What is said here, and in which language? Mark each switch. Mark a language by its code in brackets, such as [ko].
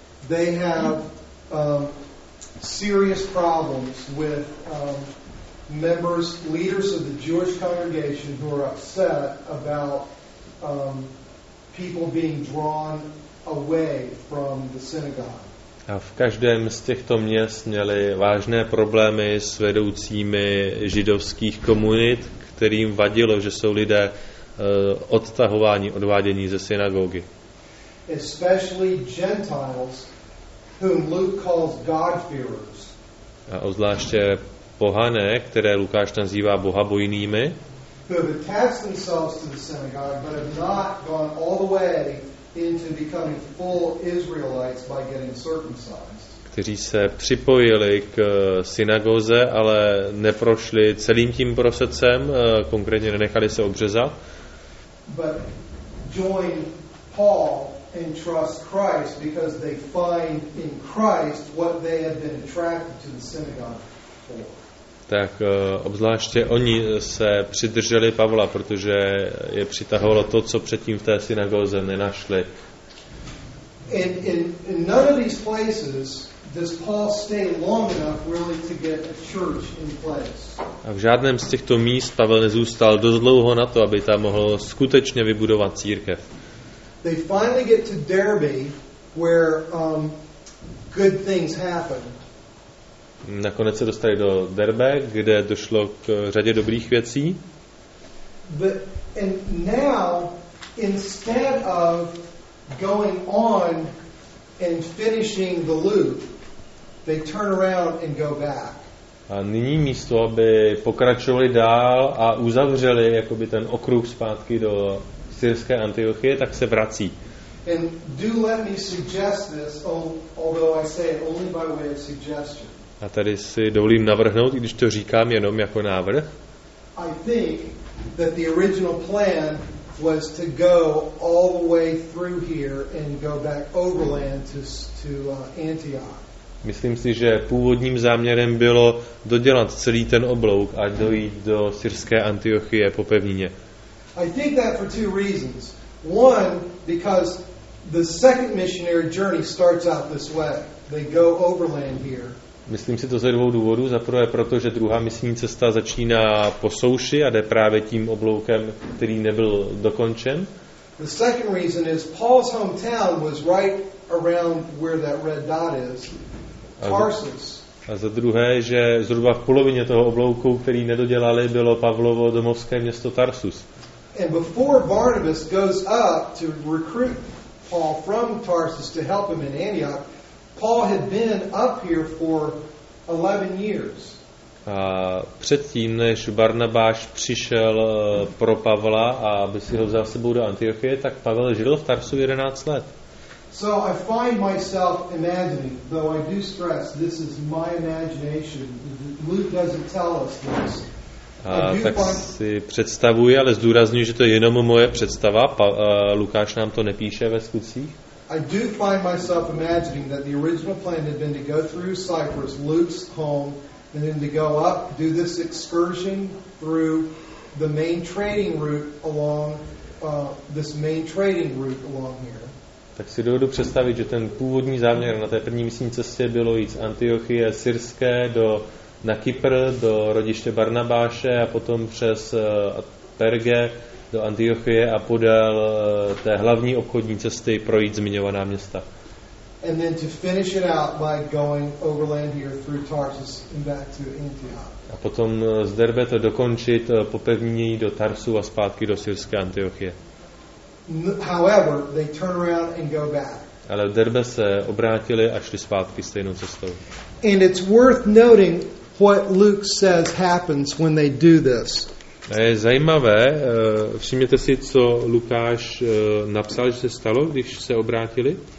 [en] they have serious problems with members, leaders of the Jewish congregation who are upset about people being drawn away from the synagogue. [cs] A v každém z těchto měst měli vážné problémy s vedoucími židovských komunit, kterým vadilo, že jsou lidé odtahováni, odvádění ze synagogy. [en] Especially Gentiles, whom Luke calls God-fearers. [cs] A obzvláště pohané, které Lukáš nazývá bohabojnými, [en] who have attached themselves to the synagogue, but have not gone all the way into becoming full Israelites by getting circumcised. [cs] Kteří se připojili k synagoze, ale neprošli celým tím procesem, konkrétně nenechali se obřezat. [en] But join Paul and trust Christ because they find in Christ what they have been attracted to the synagogue for. [cs] Tak obzvláště oni se přidrželi Pavla, protože je přitahovalo to, co předtím v té synagoze nenašli. [en] In none of these places does Paul stay long enough really to get a church in place. [cs] A v žádném z těchto míst Pavel nezůstal dost dlouho na to, aby tam mohl skutečně vybudovat církev. [en] They finally get to Derby, where good things happen. [cs] Nakonec se dostali do Derbe, kde došlo k řadě dobrých věcí. [en] But, and now, instead of going on and finishing the loop, they turn around and go back. [cs] A nyní místo, aby pokračovali dál a uzavřeli jakoby ten okruh zpátky do syrské Antiochie, tak se vrací. [en] And do let me suggest this, although I say it only by way of suggestion. [cs] A tady si dovolím navrhnout, i když to říkám jenom jako návrh. [en] I think that the original plan was to go all the way through here and go back overland to Antioch. [cs] Myslím si, že původním záměrem bylo dodělat celý ten oblouk a dojít do syrské Antiochie po pevnině. [en] I think that for two reasons. One, because the second missionary journey starts out this way. They go overland here. [cs] Myslím si to ze dvou důvodů. Za prvé proto, že druhá misijní cesta začíná po souši a jde právě tím obloukem, který nebyl dokončen. [en] The second reason is Paul's hometown was right around where that red dot is, Tarsus. [cs] A za druhé, že zhruba v polovině toho oblouku, který nedodělali, bylo Pavlovo domovské město Tarsus. [en] And before Barnabas goes up to recruit Paul from Tarsus to help him in Antioch, Paul had been up here for 11 years. [cs] A předtím, než Barnabáš přišel pro Pavla, aby si ho vzal sebou do Antiochie, tak Pavel žil v Tarsu 11 let. [en] So I find myself imagining, though I do stress, this is my imagination. Luke doesn't tell us this. [cs] A tak si představuji, ale zdůrazňuji, že to je jenom moje představa. Lukáš nám to nepíše ve skutcích. [en] I do find myself imagining that the original plan had been to go through Cyprus, Luke's home, and then to go up, do this excursion through the main trading route along this main trading route along here. [cs] Tak si dovedu představit, že ten původní záměr na té první misijní cestě bylo jít z Antiochie syrské na Kypr do rodiště Barnabáše a potom přes Perge do Antiochie a podél té hlavní obchodní cesty projít zmiňovaná města. [en] And then to finish it out by going overland here through Tarsus and back to Antioch. [cs] A potom z Derbe to dokončit po pevnině do Tarsu a zpátky do syrské Antiochie. [en] However, they turn around and go back. [cs] Ale v Derbe se obrátili a šli zpátky stejnou cestou. [en] And it's worth noting what Luke says happens when they do this. [cs] A je zajímavé, všimněte si, co Lukáš napsal, že se stalo, když se obrátili.